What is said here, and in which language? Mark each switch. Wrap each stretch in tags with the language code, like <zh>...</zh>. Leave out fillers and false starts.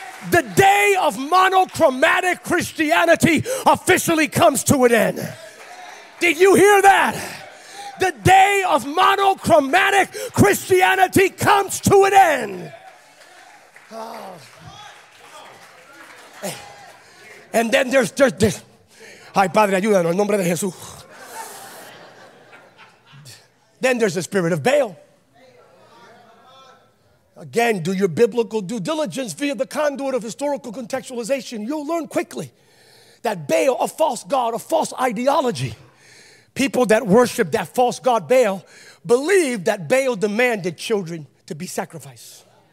<en>The day of monochromatic Christianity officially comes to an end. Did you hear that? The day of monochromatic Christianity comes to an end. Oh. And then there's</en> <es>ay padre, ayúdanos, en nombre de Jesús.</es> <en>Then there's the spirit of Baal. Again, do your biblical due diligence via the conduit of historical contextualization. You'll learn quickly that Baal, a false god, a false ideology. People that worship that false god Baal believe that Baal demanded children to be sacrificed.</en>